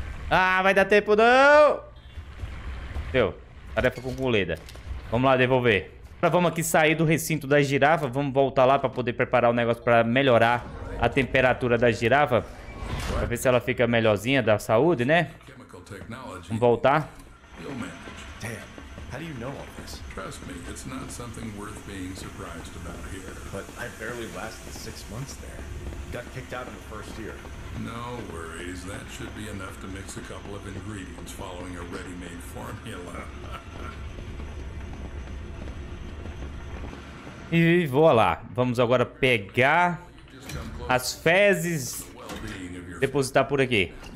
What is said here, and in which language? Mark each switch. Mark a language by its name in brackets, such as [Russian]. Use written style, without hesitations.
[Portuguese] Ah, vai dar tempo não. Deu. Tarefa concluída. Vamos lá devolver. Agora vamos aqui sair do recinto da girafa. Vamos voltar lá pra poder preparar o negócio pra melhorar a temperatura da girafa. Pra ver se ela fica melhorzinha da saúde, né? Vamos voltar. [English] Damn, how do you know all this? Trust me, it's not something worth being surprised about here. But I barely lasted 6 months there. Got kicked out in the first year. No worries, that should be enough to mix a couple of ingredients following a ready-made formula. [Portuguese] E voa lá. Vamos agora pegar as fezes, depositar por aqui.